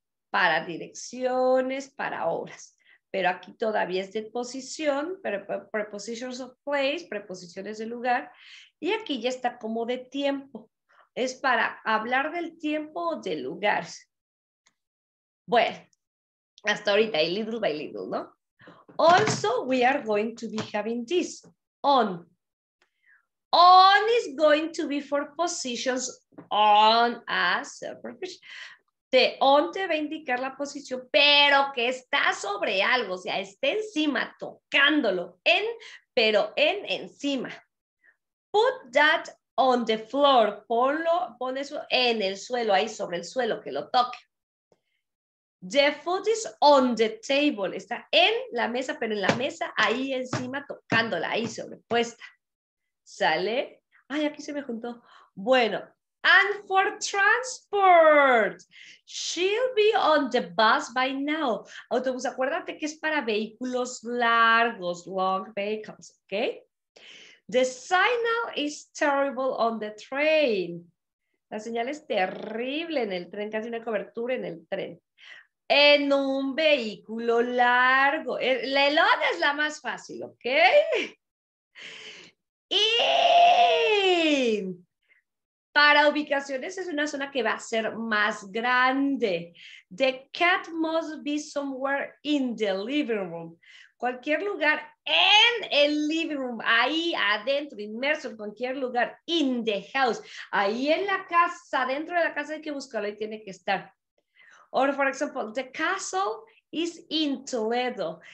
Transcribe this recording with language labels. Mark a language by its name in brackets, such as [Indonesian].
[Spanish] Para direcciones, para horas. Pero aquí todavía es de posición, [English] prepositions of place, [Spanish] preposiciones de lugar. Y aquí ya está como de tiempo. Es para hablar del tiempo o del lugar. Bueno, hasta ahorita, y [English] little by little, [Spanish] ¿no? [English] Also, we are going to be having this. On. On is going to be for positions on as a profession. [Spanish] The on te va a indicar la posición, pero que está sobre algo, o sea, está encima, tocándolo. En, pero en encima. [English] Put that on the floor, [Spanish] pon eso en el suelo, ahí sobre el suelo, que lo toque. [English] The food is on the table, [Spanish] está en la mesa, pero en la mesa, ahí encima, tocándola, ahí sobrepuesta. ¿Sale? Ay, aquí se me juntó. [English] Bueno, and for transport, she'll be on the bus by now. [Spanish] Autobús, acuérdate que es para vehículos largos, [English] long vehicles, [Spanish] ¿ok? [English] The signal is terrible on the train. [Spanish] La señal es terrible en el tren, casi una cobertura en el tren. En un vehículo largo. La elote es la más fácil, ¿ok? Y para ubicaciones es una zona que va a ser más grande. [English] The cat must be somewhere in the living room. [Spanish] Cualquier lugar en el living room, ahí adentro, inmerso en cualquier lugar, [English] in the house, [Spanish] ahí en la casa, dentro de la casa hay que buscarlo y tiene que estar. [English] Or, for example, the castle is in Toledo.